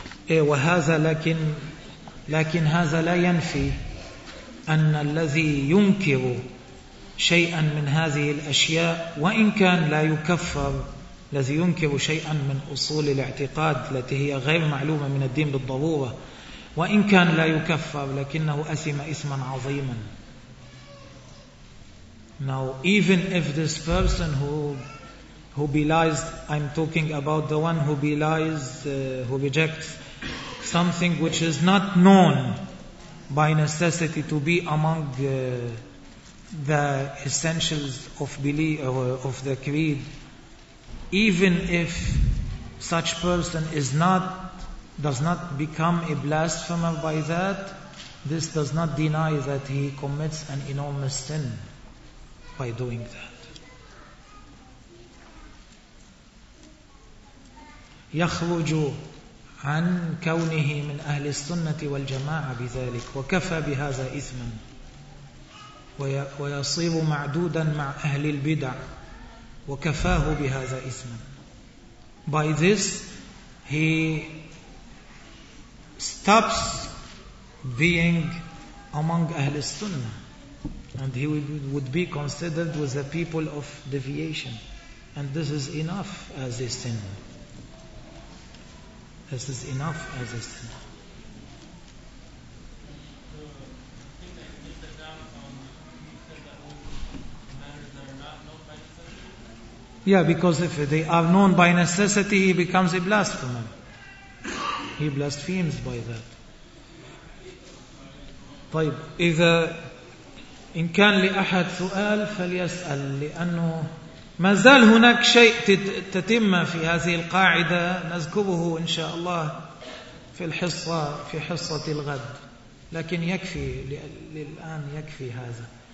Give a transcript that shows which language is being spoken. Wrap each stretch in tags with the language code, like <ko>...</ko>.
<ar>إيه وهذا لكن هذا لا ينفي أن الذي ينكر شيئا من هذه الأشياء وإن كان لا يكفر الذي ينكر شيئا من أصول الاعتقاد التي هي غير معلومة من الدين بالضرورة، وإن كان لا يكفر لكنه أثم إثما عظيما.</ar> <en>Now, even if this person who belies, I'm talking about the one who belies, who rejects something which is not known by necessity to be among the essentials of belief of the creed, even if such person is not, does not become a blasphemer by that, this does not deny that he commits an enormous sin by doing that.</en> <ar>يخرج عن كونه من أهل السنة والجماعة بذلك وكفى بهذا إثما ويصير معدودا مع أهل البدع وكفاه بهذا إثما.</ar> <en>By this he stops being among</en> <ar>أهل السنة</ar> <en>and he would be considered with the people of deviation, and this is enough as a sin. This is enough as a sin. Yeah, because if they are known by necessity, he becomes a blasphemer. He blasphemes by that.</en> <ar>طيب إذا إن كان لأحد سؤال فليسأل، لأنه ما زال هناك شيء تتم في هذه القاعدة نذكره إن شاء الله في الحصة في حصة الغد، لكن يكفي للآن، يكفي هذا.</ar>